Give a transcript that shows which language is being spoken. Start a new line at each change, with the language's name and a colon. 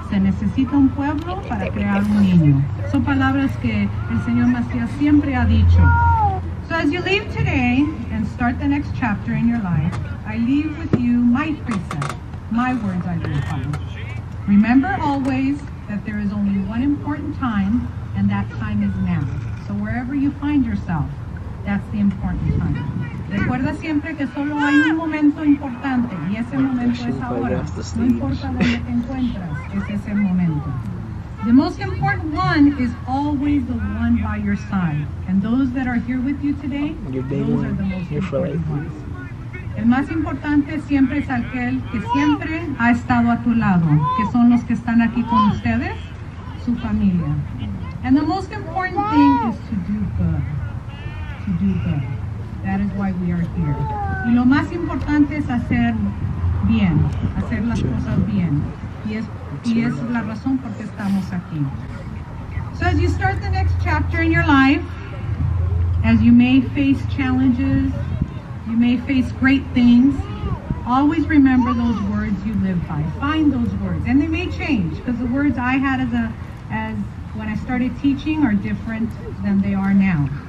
Spanish: Se necesita un pueblo para crear un niño. Son palabras que el señor Macias siempre ha dicho.
English: So as you leave today and start the next chapter in your life, I leave with you my precept, my words I live by. Remember always that there is only one important time, and that time is now. So wherever you find yourself, that's the important time.
Spanish: Recuerda siempre que solo hay un momento importante, y ese momento es ahora. No importa donde te encuentras, es ese momento.
English: The most important one is always the one by your side. And those that are here with you today, those are the most important ones.
Spanish: El más importante siempre es aquel que siempre ha estado a tu lado, que son los que están aquí con ustedes, su familia.
English: And the most important thing is to do good. To do good. That is why we are here.
Spanish: Y lo más importante es hacer bien, hacer las cosas bien. Y es la razón por qué estamos aquí.
English: So as you start the next chapter in your life, as you may face challenges, you may face great things, always remember those words you live by. Find those words. And they may change, because the words I had as when I started teaching are different than they are now.